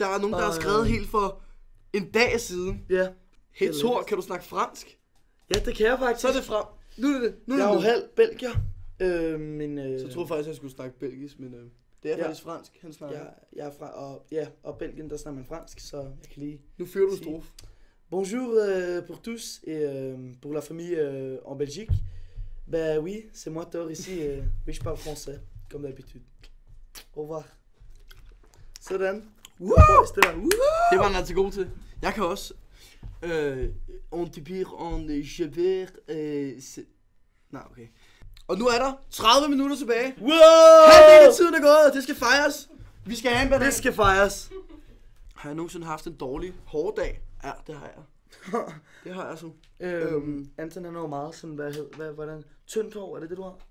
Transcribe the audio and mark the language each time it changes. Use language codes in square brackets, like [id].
[da] Der er nogen, der har skrevet helt for en dag siden. Ja. Hey Thor, kan du snakke fransk? Ja, det kan jeg faktisk. Så er det fra. Nu er det. Jeg er jo halv belgier. Så troede faktisk, at jeg skulle snakke belgisk, men det er faktisk fransk, han snakker. Jeg er fra, og Belgien, der snakker man fransk, så jeg kan lige... Nu fører du en strofe. [fr] Bonjour pour tous, pour la famille en Belgique. Ben oui, c'est moi Thor ici, oui je parle français, comme d'habitude. Au revoir. [da] Sådan. Woo! Det var en altså god til. Jeg kan også. On te pire, on je vais, c'est... Nej, okay. Og nu er der 30 minutter tilbage. Halvdelen af tiden er gået, og det skal fejres. Vi skal have en bedre dag. Det skal fejres. Har jeg nogensinde haft en dårlig, hård dag? Ja, det har jeg. Det har jeg så. Anton, han har meget sådan, hvordan? Tyndt hår, er det det, du har?